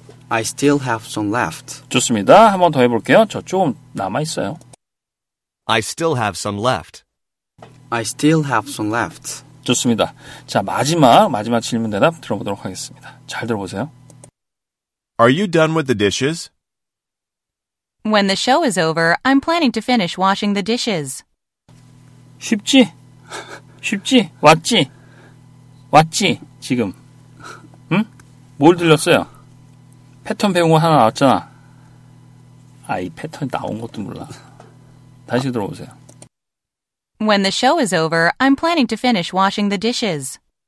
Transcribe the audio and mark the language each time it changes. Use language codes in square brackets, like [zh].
[en] I still have some left. [ko] 좋습니다. 한 번 더 해볼게요. 저 조금 남아있어요. [en] I still have some left. I still have some left. [ko] 좋습니다. 자, 마지막 질문 대답 들어보도록 하겠습니다. 잘 들어보세요. [en] Are you done with the dishes? When the show is over, I'm planning to finish washing the dishes. [ko] 쉽지? 쉽지? 왔지? 왔지? 지금. 응? 뭘 들렸어요? 패턴 배운 거 하나 나왔잖아. 아, 이 패턴이 나온 것도 몰라. 다시 들어보세요. [en] When the show is over, I'm planning to finish washing the dishes.